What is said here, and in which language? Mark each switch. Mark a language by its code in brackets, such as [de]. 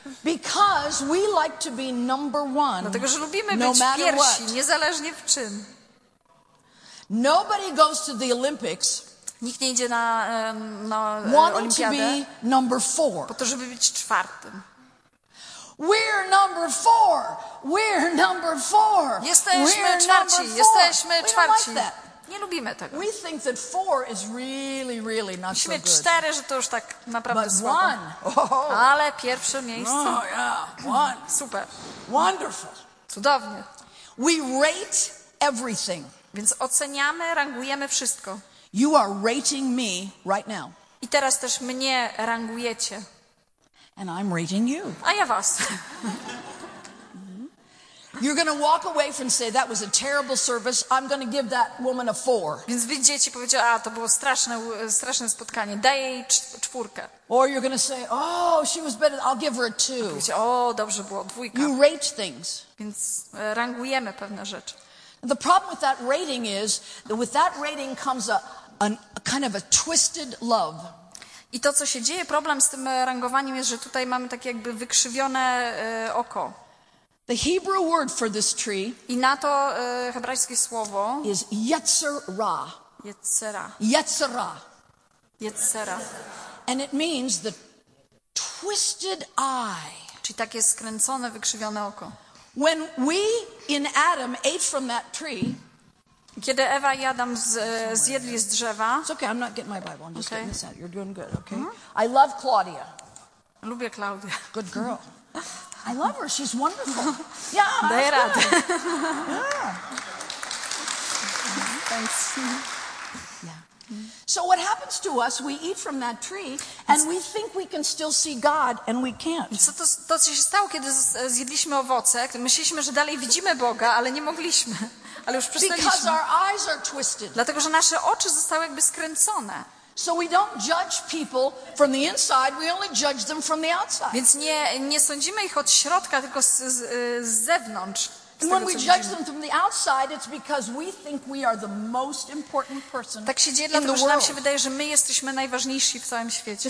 [en] Because we like to be number one. [pl] Dlatego, że lubimy być pierwsi, niezależnie w czym. [en] Nobody goes to the Olympics. [pl] Nikt nie idzie na olimpiadę. [en] To be number four. [pl] Po to, żeby być czwartym. [en] We're number four. We're number four. [pl] Jesteśmy czwarci. Jesteśmy czwarci. Nie lubimy tego. [en] We think that four is really, really not so good. [pl] Cztery, że to już tak naprawdę [en] but [pl] słabo. [en] One. Oh. [pl] Ale pierwsze miejsce. [en] Oh, yeah. One. [pl] Super. [en] Wonderful. [pl] Cudownie. [en] We rate everything. [pl] Więc oceniamy, rangujemy wszystko. [en] You are rating me right now. [pl] I teraz też mnie rangujecie. [en] And I'm rating you. [pl] A ja was. [en] You're going to walk away from say that was a terrible service. I'm going to give that woman a four. [pl] Więc widzicie, ci powiedział, a to było straszne spotkanie. Daj jej czwórkę. [en] Or you're going to say, oh, she was better. I'll give her a two. [pl] Powiecie, o, dobrze było, dwójka. [en] You rate things. [pl] Więc rangujemy pewne rzeczy. [en] The problem with that rating is that with that rating comes a kind of a twisted love. [pl] I to, co się dzieje, problem z tym rangowaniem jest, że tutaj mamy takie jakby wykrzywione oko. [en] The Hebrew word for this tree [pl] i na to hebrajskie słowo [en] is Yetzerah. [he] Yetzerah. Yetzerah. Yetzerah. [en] And it means the twisted eye. [pl] Czyli takie skręcone, wykrzywione oko. [en] When we in Adam ate from that tree, [pl] kiedy Ewa i Adam zjedli z drzewa. [en] It's okay, I'm not getting my Bible. I'm just okay. Getting this out. You're doing good, okay? Mm-hmm. I love Claudia. [pl] Lubię Claudia. [en] Good girl. I love her. She's wonderful. Yeah, [pl] daj [en] that's [pl] radę. [en] Good. Yeah. Thanks. Yeah. So what happens to us, we eat from that tree and we think we can still see God and we can't. [pl] To co się stało, kiedy zjedliśmy owoce, myśleliśmy, że dalej widzimy Boga, ale nie mogliśmy. Ale już [en] because our eyes are twisted. [pl] Dlatego, że nasze oczy zostały jakby skręcone. [en] So we don't judge people from the inside, we only judge them from the outside. [pl] Więc nie sądzimy ich od środka, tylko z zewnątrz. [en] And when we judge them from the outside, it's because we think we are the most important person. [pl] Tak się dzieje, dlatego, że nam się wydaje, że my jesteśmy najważniejsi w całym świecie.